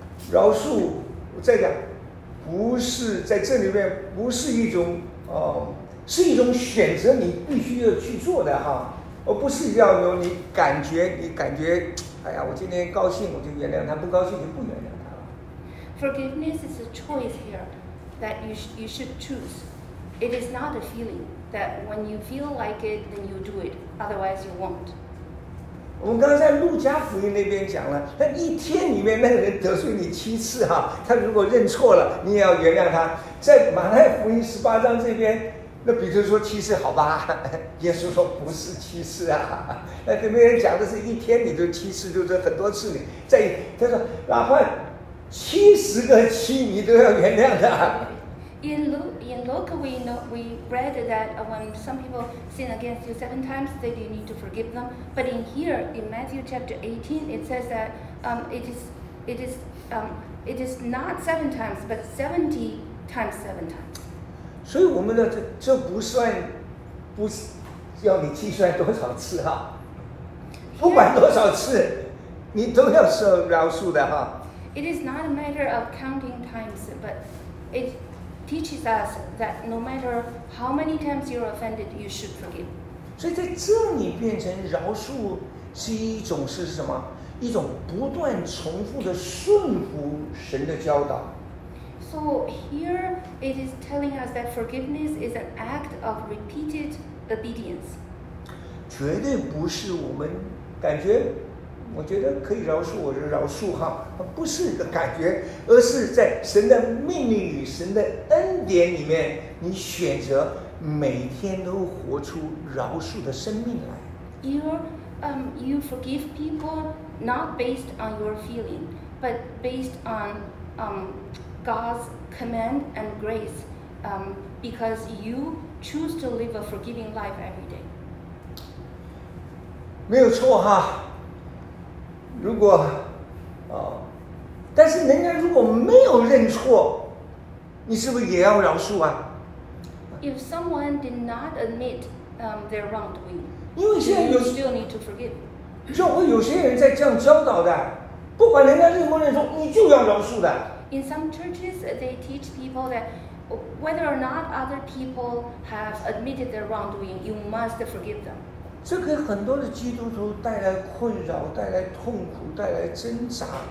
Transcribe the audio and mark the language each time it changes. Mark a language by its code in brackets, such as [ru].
[zh] 饶恕，我再讲，不是在这里面不是一种是一种选择，你必须要去做的哈。而不是要有你感觉，哎呀，我今天高兴我就原谅他，不高兴就不原谅他了。 [en] Forgiveness is a choice here that you should choose. It is not a feeling that when you feel like it, then you do it. Otherwise, you won't. [zh] 我们刚刚在路加福音那边讲了，那一天里面那个人得罪你七次哈，他如果认错了，你也要原谅他。在马太福音十八章这边。那比如说七次好吧，耶稣说不是七次啊，那这边讲的是一天你就七次，就是很多次你在他说哪怕七十个七你都要原谅的。 [en] In Luke we read that when some people sin against you seven times that you need to forgive them, but in here in Matthew chapter 18 it says that it is not seven times but 70 times seven times. [zh] 所以我们的这不算，不是要你计算多少次哈，不管多少次，你都要受饶恕的哈。 [en] It is not a matter of counting times, but it teaches us that no matter how many times you're offended, you should forgive. [zh] 所以在这里变成饶恕是一种是什么？一种不断重复的顺服神的教导。 [en] So here it is telling us that forgiveness is an act of repeated obedience. [zh] 绝对不是我们感觉，我觉得可以饶恕我就饶恕哈，不是个感觉，而是在神的命令里、神的恩典里面，你选择每天都活出饶恕的生命来。 [en] You forgive people not based on your feeling, but based on God's command and grace, because you choose to live a forgiving life every day. [zh] 没有错哈。如果但是人家如果没有认错，你是不是也要饶恕啊？ [en] If someone did not admit their wrongdoing, [zh] 因为现在有 [en] you still need to forgive. [zh] 就会有些人在这样教导的，不管人家认不认错，你就要饶恕的。 [en] In some churches, they teach people that whether or not other people have admitted their wrongdoing, you must forgive them. [zh] 这给很多的基督徒带来困扰，带来痛苦，带来挣扎。